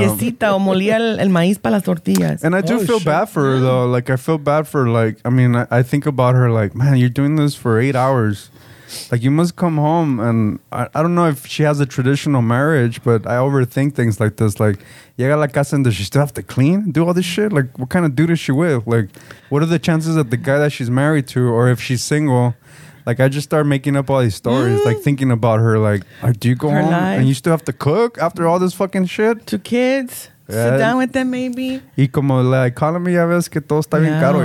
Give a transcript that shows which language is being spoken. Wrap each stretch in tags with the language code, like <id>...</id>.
<es>Limpiecita, o molía el maíz para las tortillas.</es> <en>And I do feel bad for her, though. Like, I feel bad for, like, I mean, I think about her, like, man, you're doing this for 8 hours. Like, you must come home, and I don't know if she has a traditional marriage, but I overthink things like this. Like,</en> <es>llega a la casa,</es> <en>and does she still have to clean, do all this shit? Like, what kind of dude is she with? Like, what are the chances that the guy that she's married to, or if she's single... Like, I just start making up all these stories, like, thinking about her, like, do you go her home life. And you still have to cook after all this fucking shit? 2 kids, yeah. Sit down with them, maybe.</en> <es>Y como la economy, ya ves que todo está bien caro.</es>